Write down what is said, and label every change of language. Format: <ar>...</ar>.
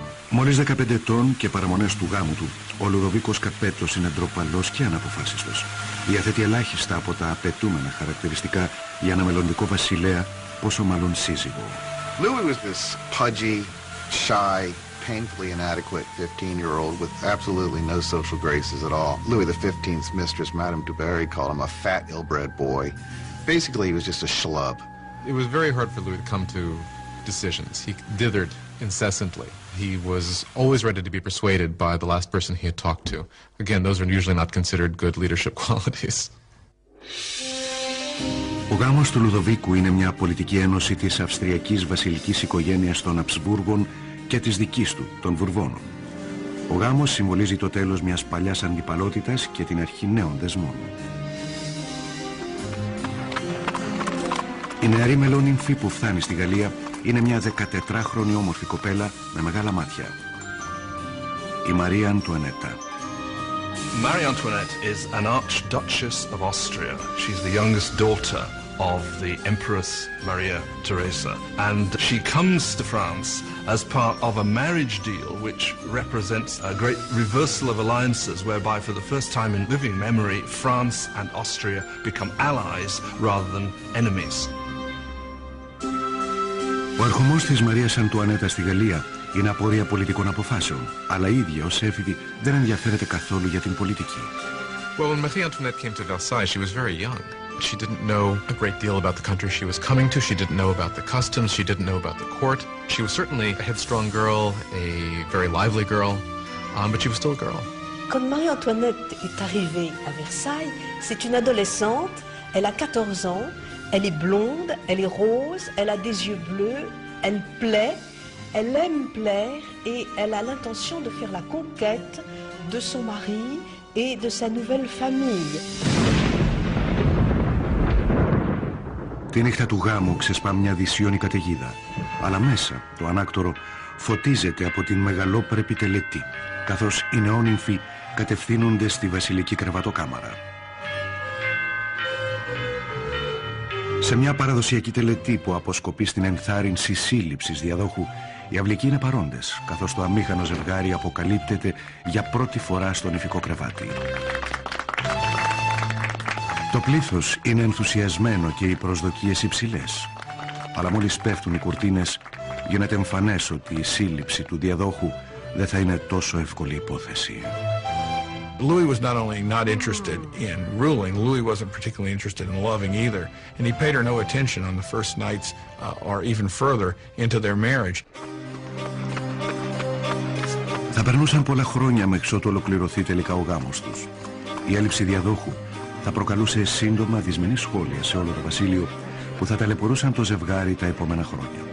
<el>Μόλις 15 ετών και παραμονές του γάμου του, ο Λουδοβίκος Καπέτος είναι ντροπαλός και αναποφάσιστος. Διαθέτει ελάχιστα από τα απαιτούμενα χαρακτηριστικά για ένα μελλοντικό βασιλέα, πόσο μάλλον σύζυγο.</el> <en>Louis was this pudgy, shy, painfully inadequate 15-year-old with absolutely no social graces at all. Louis XV's mistress, Madame du Barry, called him a fat, ill-bred boy. Basically, he was just a schlub. It was very hard for Louis to come to decisions. He dithered incessantly. He was always ready to be persuaded by the last person he had talked to. Again, those are usually not considered good leadership qualities.</en> <el>Ο γάμος του Λουδοβίκου είναι μια πολιτική ένωση της αυστριακής βασιλικής οικογένειας των Αψμπούργων και της δικής του, των Βουρβώνων. Ο γάμος συμβολίζει το τέλος μιας παλιάς αντιπαλότητας και την αρχή νέων δεσμών. Η νεαρή μελόνυμφη που φτάνει στη Γαλλία είναι μια 14χρονη όμορφη κοπέλα με μεγάλα μάτια. Η Μαρία Αντουανέτα.</el> <en>Marie Antoinette is an Archduchess of Austria. She's the youngest daughter of the Empress Maria Theresa. And she comes to France as part of a marriage deal which represents a great reversal of alliances whereby for the first time in living memory, France and Austria become allies rather than enemies.</en> <el>Ο ερχομός της Μαρίας Αντουανέτα στη Γαλλία είναι απορία πολιτικών αποφάσεων, αλλά η ίδια ως έφηβη δεν ενδιαφέρεται καθόλου για την πολιτική.</el> <en>Well, when Marie Antoinette came to Versailles, she was very young. She didn't know a great deal about the country she was coming to. She didn't know about the customs. She didn't know about the court. She was certainly a headstrong girl, a very lively girl, but she was still a girl.</en> <fr>Quand Marie Antoinette est arrivée à Versailles, c'est une adolescente. Elle a 14 ans. Elle est blonde. Elle est rose. Elle a des yeux bleus. Elle plaît. Elle aime plaire et elle a l'intention de faire la conquête de son mari et de sa nouvelle famille.</fr> <el>Τη νύχτα του γάμου ξεσπά μια δυσίωνη καταιγίδα. Αλλά μέσα, το ανάκτορο φωτίζεται από την μεγαλόπρεπη τελετή, καθώς οι νεόνυμφοι κατευθύνονται στη βασιλική κρεβατοκάμαρα. Σε μια παραδοσιακή τελετή που αποσκοπεί στην ενθάρρυνση σύλληψης διαδόχου, οι αυλικοί είναι παρόντες, καθώς το αμήχανο ζευγάρι αποκαλύπτεται για πρώτη φορά στο νηφικό κρεβάτι. Το πλήθος είναι ενθουσιασμένο και οι προσδοκίες υψηλές. Αλλά μόλις πέφτουν οι κουρτίνες, γίνεται εμφανές ότι η σύλληψη του διαδόχου δεν θα είναι τόσο εύκολη υπόθεση.</el> <en>Louis was not only not interested in ruling, Louis wasn't particularly interested in loving either. And he paid her no attention on the first nights or even further into their marriage.</en> <el>Θα περνούσαν πολλά χρόνια μέχρι ότου ολοκληρωθεί τελικά ο γάμος τους. Η έλλειψη διαδόχου θα προκαλούσε σύντομα δυσμενή σχόλια σε όλο το βασίλειο που θα ταλαιπωρούσαν το ζευγάρι τα επόμενα χρόνια.</el>